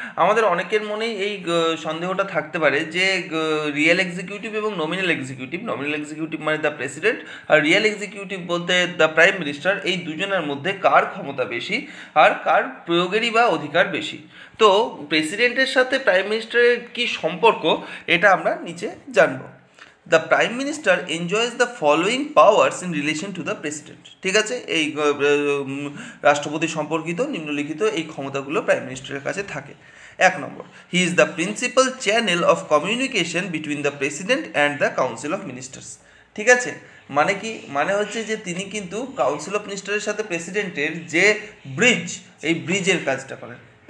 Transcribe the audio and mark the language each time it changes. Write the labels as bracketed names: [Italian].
[Bangla] আমাদের অনেকের মনে এই সন্দেহটা থাকতে পারে যে রিয়েল এক্সিকিউটিভ এবং নমিনাল এক্সিকিউটিভ, নমিনাল এক্সিকিউটিভ মানে the president আর real executive বলতে দ্য প্রাইম মিনিস্টার, এই দুজনের মধ্যে কার ক্ষমতা বেশি আর কার প্রয়োগেরই বা অধিকার বেশি। তো প্রেসিডেন্টের সাথে প্রাইম মিনিস্টারের কী সম্পর্ক এটা আমরা নিচে জানব। [English] The Prime Minister enjoys the following powers in relation to the President. [Bangla] ঠিক আছে, এই রাষ্ট্রপতি সম্পর্কিত নিম্নলিখিত এই ক্ষমতাগুলো প্রাইম মিনিস্টারের কাছে থাকে। এক নম্বর, [English] He is the principal channel of communication between the president and the council of ministers. [Bangla] ঠিক আছে, মানে কি, মানে হচ্ছে যে তিনি কিন্তু কাউন্সিল অফ মিনিস্টারের সাথে প্রেসিডেন্টের যে ব্রিজ, এই ব্রিজের কাজটা করেন।